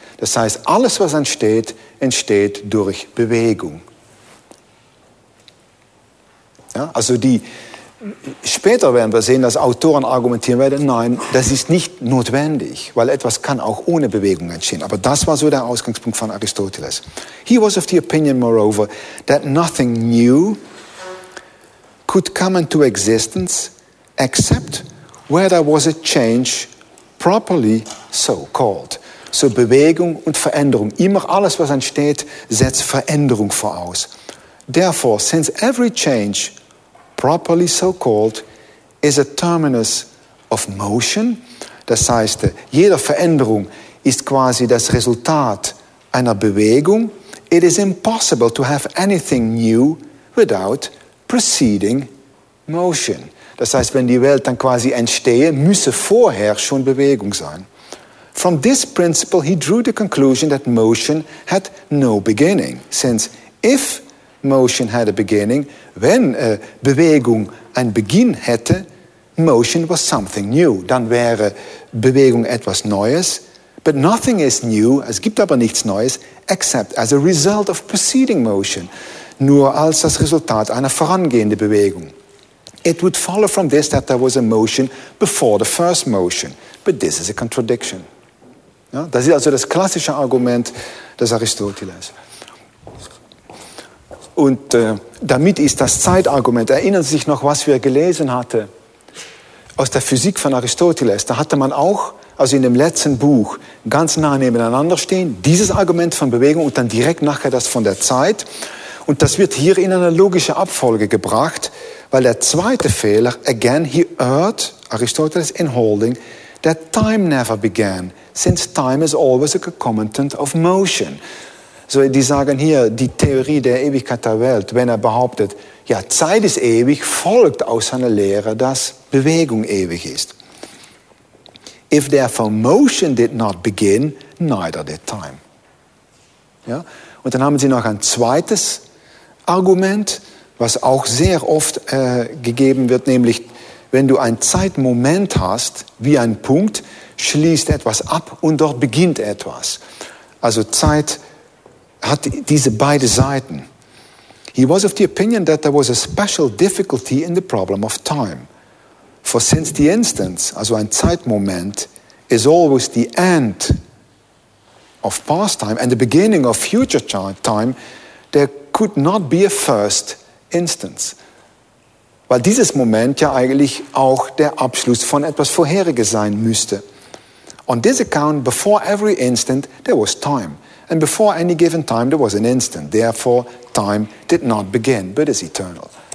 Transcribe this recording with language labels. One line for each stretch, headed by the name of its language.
German: Das heißt, alles, was entsteht, entsteht durch Bewegung. Ja, also die später werden wir sehen, dass Autoren argumentieren werden, nein, das ist nicht notwendig, weil etwas kann auch ohne Bewegung entstehen. Aber das war so der Ausgangspunkt von Aristoteles.
English: He was of the opinion, moreover, that nothing new could come into existence except where there was a change properly so called.
German: So Bewegung und Veränderung. Immer alles, was entsteht, setzt Veränderung voraus.
English: Therefore, since every change properly so called, is a terminus of motion.
German: Das heißt, jede Veränderung ist quasi das Resultat einer Bewegung.
English: It is impossible to have anything new without preceding motion.
German: Das heißt, wenn die Welt dann quasi entstehe, müsse vorher schon Bewegung sein.
English: From this principle, he drew the conclusion that motion had no beginning, since if motion had a beginning,
German: wenn Bewegung einen Beginn hätte,
English: motion was something new.
German: Dann wäre Bewegung etwas Neues.
English: But nothing is new,
German: es gibt aber nichts Neues,
English: except as a result of preceding motion.
German: Nur als das Resultat einer vorangehenden Bewegung.
English: It would follow from this that there was a motion before the first motion. But this is a contradiction. Ja?
German: Das ist also das klassische Argument des Aristoteles. Und damit ist das Zeitargument, erinnern Sie sich noch, was wir gelesen hatten aus der Physik von Aristoteles. Da hatte man auch, also in dem letzten Buch, ganz nah nebeneinander stehen, dieses Argument von Bewegung und dann direkt nachher das von der Zeit. Und das wird hier in eine logische Abfolge gebracht, weil der zweite Fehler,
English: again, he erred, Aristoteles in holding, that time never began, since time is always a concomitant of motion.
German: So, die sagen hier, die Theorie der Ewigkeit der Welt, wenn er behauptet, ja, Zeit ist ewig, folgt aus seiner Lehre, dass Bewegung ewig ist.
English: If therefore motion did not begin, neither did time.
German: Ja? Und dann haben sie noch ein zweites Argument, was auch sehr oft gegeben wird, nämlich, wenn du ein Zeitmoment hast, wie ein Punkt, schließt etwas ab und dort beginnt etwas. Also Zeit hat diese beide Seiten.
English: He was of the opinion that there was a special difficulty in the problem of time. For since the instance,
German: also ein Zeitmoment,
English: is always the end of past time and the beginning of future time, there could not be a first instance.
German: Weil dieses Moment ja eigentlich auch der Abschluss von etwas Vorheriges sein müsste.
English: On this account, before every instant, there was time. And before any given time, there was an instant. Therefore, time did not begin, but is eternal.